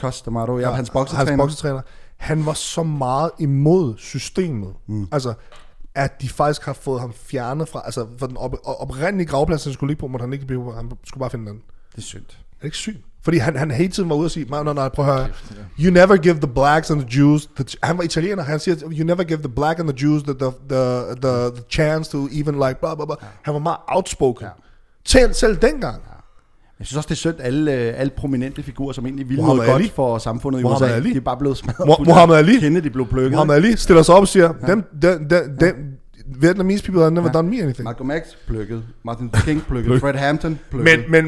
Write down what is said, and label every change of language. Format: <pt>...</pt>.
<da>Customato, ja. Hans boksetræner. Han var så meget imod systemet. Mm. Altså, at de faktisk har fået ham fjernet fra... Altså, for den oprindelige gravplads, han skulle ligge på, måtte han ikke blive på. Han skulle bare finde den. Det er synd. Er det ikke synd? Fordi han hele tiden var ude og sige, nej, prøv at høre.</da> <en>You never give the blacks and the Jews...</en> <da>Han var italiener. Han siger,</da> <en>you never give the black and the Jews the chance to even like... Blah, blah, blah.</en> <da>Ja. Han var meget outspoken. Ja. Selv dengang. Ja. Jeg synes også, det er synd, alle prominente figurer, som egentlig ville noget godt for samfundet i USA. De er bare blevet smadret. Muhammad Ali. Kende, de blev plukket.</da> <en>Muhammad Ali</en> <da>stiller sig op og siger,</da> <en>dem Vietnamese people have never done me anything.</en> <da>Malcolm X plukket, Martin King plukket, Fred Hampton plukket.</da>